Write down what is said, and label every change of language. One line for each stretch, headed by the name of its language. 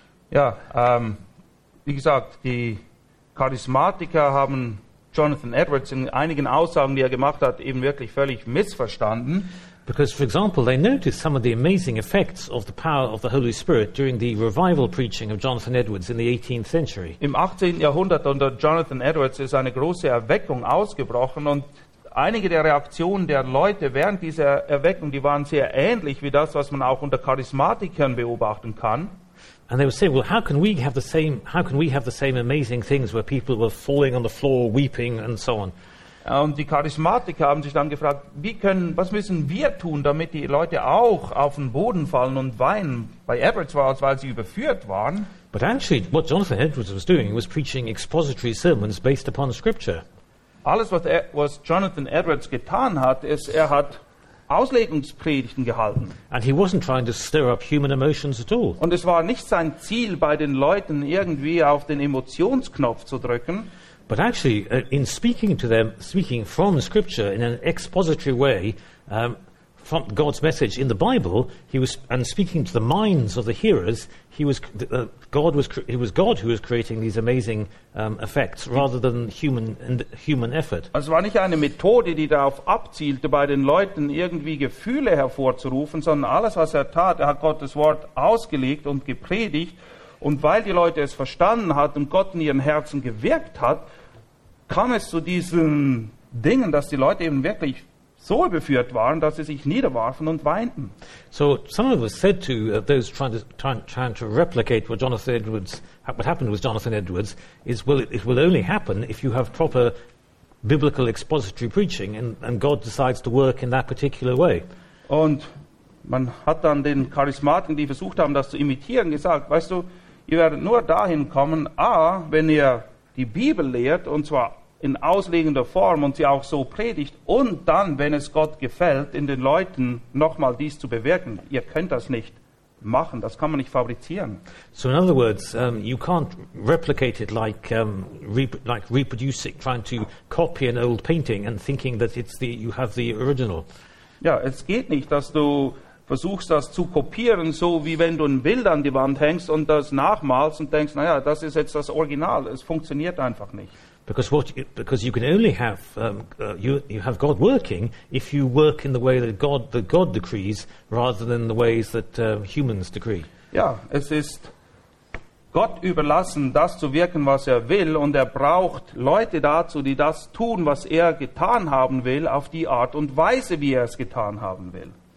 German: Ja, wie gesagt, die Charismatiker haben Jonathan Edwards in einigen Aussagen, die er gemacht hat, eben wirklich völlig missverstanden.
English: Because, for example, they noticed some of the amazing effects of the power of the Holy Spirit during the revival preaching of Jonathan Edwards in the 18th century.
German: Im 18. Jahrhundert unter Jonathan Edwards ist eine große Erweckung ausgebrochen, und einige der Reaktionen der Leute während dieser Erweckung, die waren sehr ähnlich wie das, was man auch unter Charismatikern beobachten kann.
English: And they would say, well, how can we have the same amazing things where people were falling on the floor, weeping and so on?
German: Und die Charismatiker haben sich dann gefragt, was müssen wir tun, damit die Leute auch auf den Boden fallen und weinen? Bei Edwards war es, weil sie überführt waren.
English: But actually, what Jonathan Edwards was doing was preaching expository sermons based upon scripture.
German: Alles, was Jonathan Edwards getan hat, ist, er hat Auslegungspredigten gehalten.
English: And he wasn't trying to stir up human emotions at all.
German: Und es war nicht sein Ziel, bei den Leuten irgendwie auf den Emotionsknopf zu drücken.
English: But actually, in speaking to them, speaking from Scripture in an expository way, from God's message in the Bible, speaking to the minds of the hearers, it was God who was creating these amazing effects, rather than human effort.
German: Es war nicht eine Methode, die darauf abzielte, bei den Leuten irgendwie Gefühle hervorzurufen, sondern alles, was er tat, er hat Gottes Wort ausgelegt und gepredigt. Und weil die Leute es verstanden hatten und Gott in ihren Herzen gewirkt hat, kam es zu diesen Dingen, dass die Leute eben wirklich so überführt waren, dass sie sich niederwarfen und weinten.
English: So, some of us said to those trying to replicate what happened with Jonathan Edwards, is, well, it will only happen if you have proper biblical expository preaching and God decides to work in that particular way.
German: Und man hat dann den Charismaten, die versucht haben, das zu imitieren, gesagt, weißt du, ihr werdet nur dahin kommen, wenn ihr die Bibel lehrt, und zwar in auslegender Form und sie auch so predigt und dann, wenn es Gott gefällt, in den Leuten nochmal dies zu bewirken. Ihr könnt das nicht machen, das kann man nicht fabrizieren.
English: So in other words, you can't replicate it like reproduce it, trying to copy an old painting and thinking that it's the you have the original.
German: Ja, es geht nicht, dass du versuchst, das zu kopieren, so wie wenn du ein Bild an die Wand hängst und das nachmalst und denkst, naja, das ist jetzt das Original. Es funktioniert einfach nicht.
English: Because you can only have you have God working if you work in the way that God decrees rather than the ways that humans decree.
German: Ja, es ist Gott überlassen, das zu wirken, was er will, und er braucht Leute dazu, die das tun, was er getan haben will, auf die Art und Weise, wie er es getan haben will.